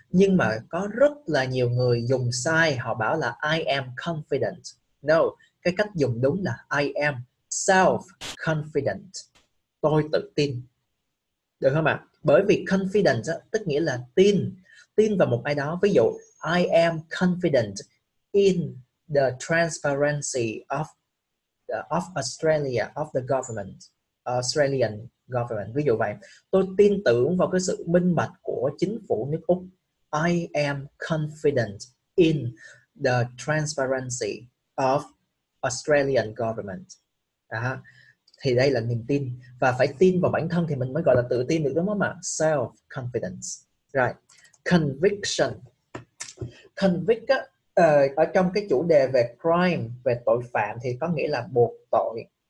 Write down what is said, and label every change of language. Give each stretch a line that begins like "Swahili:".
Vietnamese: Nhưng mà có rất là nhiều người dùng sai, họ bảo là
English: I am confident.
Vietnamese: No, cái cách dùng đúng là
English: I am self-confident.
Vietnamese: Tôi tự tin. Được không ạ? Bởi vì confidence á, tức nghĩa là tin. Tin vào một ai đó. Ví dụ,
English: I am confident in the transparency of Australia, of the government, Australian government.
Vietnamese: Ví dụ vậy, tôi tin tưởng vào cái sự minh bạch của chính phủ nước Úc.
English: I am confident in the transparency of Australian government.
Vietnamese: Đó. Thì đây là niềm tin. Và phải tin vào bản thân thì mình mới gọi là tự tin được, đúng không ạ?
English: Self-confidence. Right. Conviction.
Vietnamese: Convict á, ở trong cái chủ đề về crime, về tội phạm thì có nghĩa là buộc tội.